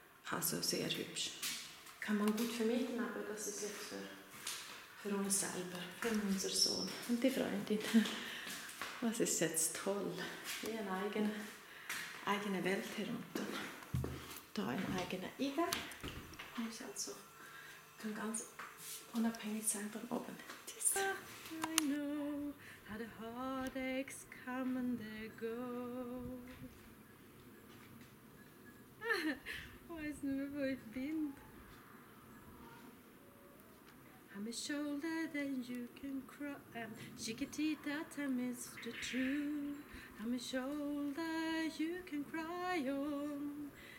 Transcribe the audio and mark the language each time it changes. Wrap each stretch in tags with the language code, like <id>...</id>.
<de>Also sehr hübsch. Kann man gut vermieten, aber das ist jetzt für uns selber, für unseren Sohn und die Freundin. Das ist jetzt toll. Wie eine eigene Welt hier unten. Da ein eigener Iga. Man ist also, kann ganz unabhängig sein von oben.</de> <en>I know how the heartaches come and they go.</en> <de>Weiß nicht mehr, wo ich bin.</de> <en>I'm a shoulder that you can cry. Chiquitita, tell me the truth. I'm a shoulder you can cry on.</en>